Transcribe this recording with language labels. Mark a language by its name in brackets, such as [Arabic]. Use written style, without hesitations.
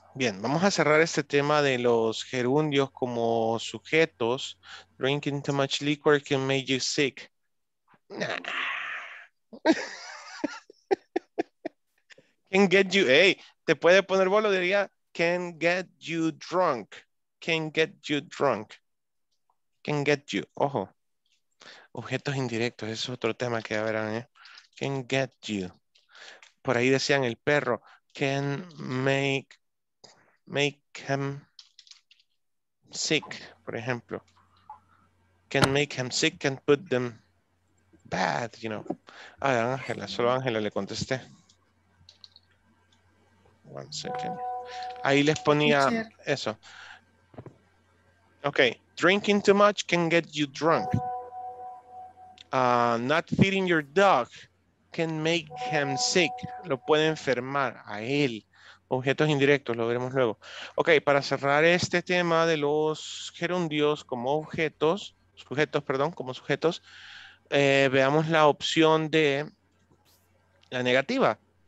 [Spanish] Bien, vamos a cerrar este tema de los gerundios como sujetos. [English] Drinking too much liquor can make you sick. Nah. Can get you, hey, [Spanish] te puede poner bolo, diría, [English] can get you drunk. Can get you drunk. Can get you, [Spanish] ojo. Objetos indirectos, eso es otro tema que ya verán, ¿eh? [English] Can get you. [Spanish] Por ahí decían el perro, [English] can make him sick, for example. Can make him sick and put them bad, you know. [Spanish] Ah, Ángela, solo Ángela le contesté. [English] One second. [Spanish] Ahí les ponía eso. [English] Okay, drinking too much can get you drunk. Not feeding your dog can make him sick. [Spanish] Lo puede enfermar a él. Objetos indirectos, lo veremos luego. Ok, para cerrar este tema de los gerundios como objetos, sujetos, perdón, como sujetos, veamos la opción de la negativa.